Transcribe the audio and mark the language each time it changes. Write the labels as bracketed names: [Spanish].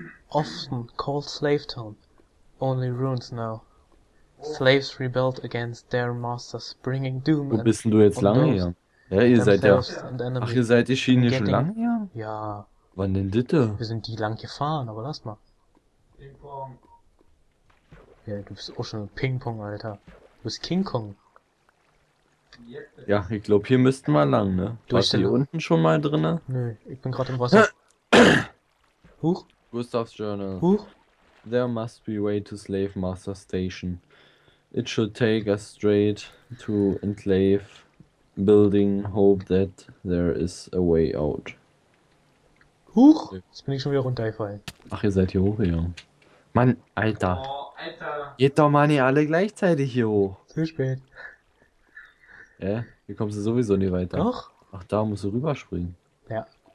[English] Often called Slave Town. Only ruins now. Slaves rebelled against their masters, bringing doom. [German] Wo bist denn du jetzt lange hier? Ja, ihr seid ja. Ach, ihr seid die Schiene schon lange hier? Ja. Wann denn ditte? Wir sind die lang gefahren, aber lass mal. Ping-Pong. Ja, du bist auch schon Ping-Pong, Alter. Du bist King Kong. Ja, ich glaube, hier müssten wir lang, ne? Du bist hier unten schon mal drinne? Nö, ich bin gerade im Wasser. Huch. Gustav's Journal. Huch. [English] There must be way to Slave Master Station. It should take us straight to Enclave Building. Hope that there is a way out. [German] Huch! Jetzt bin ich schon wieder runtergefallen. Ach, ihr seid hier hoch, ja. Mann, Alter. Oh, Alter. Geht doch mal nicht alle gleichzeitig hier hoch. Zu spät. Ja, hier kommst du sowieso nicht weiter. Doch. Ach, da musst du rüberspringen. Ja.